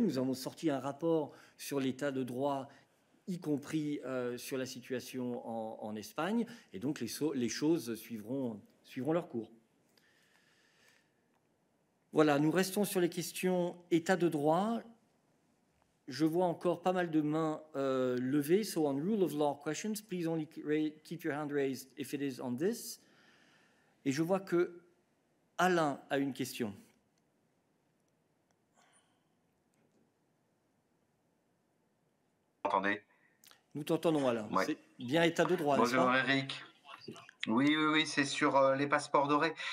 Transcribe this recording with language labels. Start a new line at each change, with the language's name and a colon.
French: Nous avons sorti un rapport sur l'état de droit, y compris sur la situation en Espagne. Et donc, les choses suivront leur cours. Voilà, nous restons sur les questions état de droit. Je vois encore pas mal de mains levées.
English: So on rule of law questions, please only keep your hand raised if it is on this.
French: Et je vois que Alain a une question. Entendez? Nous t'entendons, Alain. Ouais. C'est bien état de droit. Bonjour, n'est-ce pas? Eric. Oui, c'est sur les passeports dorés.